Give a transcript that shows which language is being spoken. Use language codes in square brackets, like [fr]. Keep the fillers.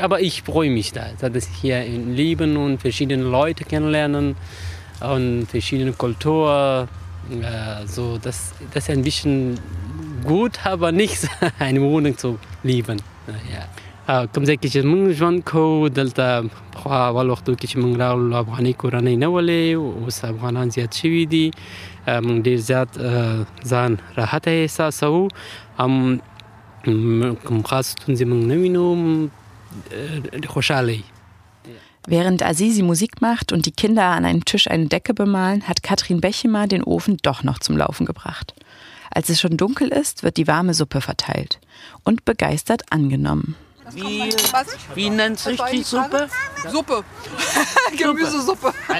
[de] Aber ich freue mich da, dass ich hier im Leben und verschiedene Leute kennenlernen und verschiedene Kulturen. Äh, so, das, das ist ein bisschen gut, aber nicht eine Wohnung zu lieben. Ja. [ps] او کوم ځای کې چې موږ ژوند کوو دلته په اول وختو کې چې موږ راغلو افغاني کورنۍ نه ولې اوس افغانان زیات شوي دي اه، موږ ډیر زیات اه، ځان راحت احساسوو هم م- کوم خاص ستونزې موږ نه وینو م، اه، خوشحاله یو. [de] Während Azizi Musik macht und die Kinder an einem Tisch eine Decke bemalen, hat Katrin Bechimer den Ofen doch noch zum Laufen gebracht. Als es schon dunkel ist, wird die warme Suppe verteilt und begeistert angenommen. Wie, wie nennt sich die Suppe? Suppe. Gemüsesuppe.